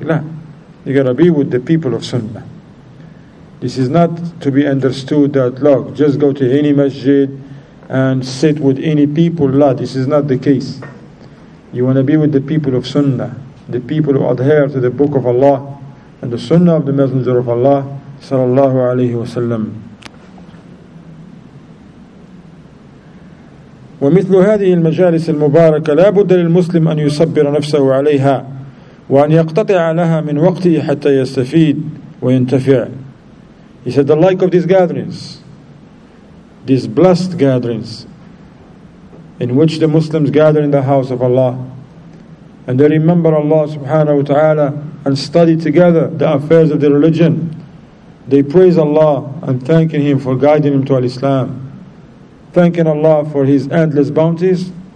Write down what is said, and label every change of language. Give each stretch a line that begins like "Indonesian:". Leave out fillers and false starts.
English: No, you gotta be with the people of Sunnah. This is not to be understood that, look, just go to any masjid and sit with any people. No, this is not the case. You wanna be with the people of Sunnah, the people who adhere to the Book of Allah and the Sunnah of the Messenger of Allah, sallallahu alayhi wa sallam.
Arabic: ومثل هذه المجالس المباركة لا بد للمسلم أن يصبر نفسه عليها وأن يقتطع لها من وقته حتى يستفيد وينتفع.
English: He said, the like of these gatherings, these blessed gatherings in which the Muslims gather in the house of Allah and they remember Allah subhanahu wa ta'ala and study together the affairs of the religion, they praise Allah and thanking Him for guiding them to Al-Islam, thanking Allah for His endless bounties.